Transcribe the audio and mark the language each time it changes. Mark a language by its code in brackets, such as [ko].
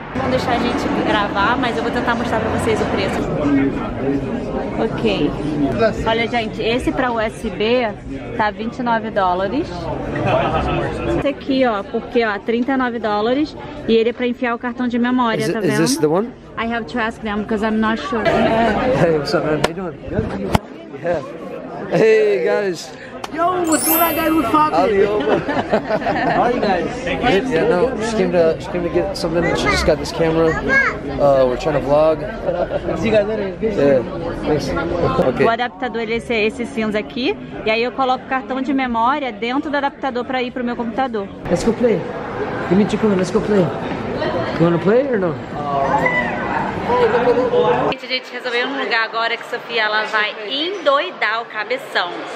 [pt] Vão deixar a gente gravar, mas eu vou tentar mostrar pra vocês o preço. Ok. Olha, gente, esse pra USB tá 29 dólares. Esse aqui, ó, porque ó, 39 dólares. E ele é pra enfiar o cartão de memória, tá vendo? [en] Is this the one? I have to ask them because I'm not sure. Hey, what's up, man? How you doing? Yeah. Hey, guys. Yo, what's going on, guys? We're fucking. How are you guys? Thank you. Yeah, no, she came to get something. She just got this camera. We're trying to vlog. See you guys later. Yeah. Thanks. [pt] Okay. O adaptador ele é esse cinza aqui. E aí eu coloco o cartão de memória dentro do adaptador para ir pro meu computador. [en] Let's go play. Give me a chicken. Let's go play. You wanna play or no? [pt] Gente, a gente resolveu um lugar agora que Sofia ela vai endoidar o cabeção.